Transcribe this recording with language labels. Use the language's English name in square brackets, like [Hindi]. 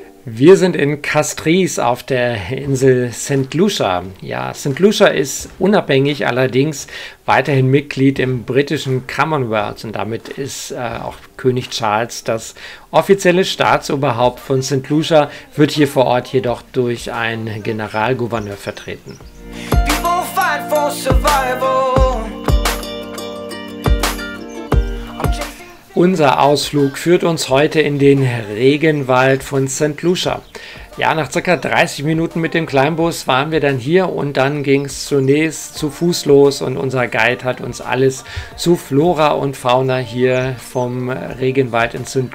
[German] Wir sind in Castries auf der Insel St. Lucia. Ja, St. Lucia ist unabhängig, allerdings weiterhin Mitglied im britischen Commonwealth und damit ist auch König Charles das offizielle Staatsoberhaupt von St. Lucia, wird hier vor Ort jedoch durch einen Generalgouverneur vertreten. [English] People fight for survival. [German] Unser Ausflug führt uns heute in den Regenwald von St. Lucia. Ja, nach ca. 30 Minuten mit dem Kleinbus waren wir dann hier und dann ging es zunächst zu Fuß los und unser Guide hat uns alles zu Flora und Fauna hier vom Regenwald in St.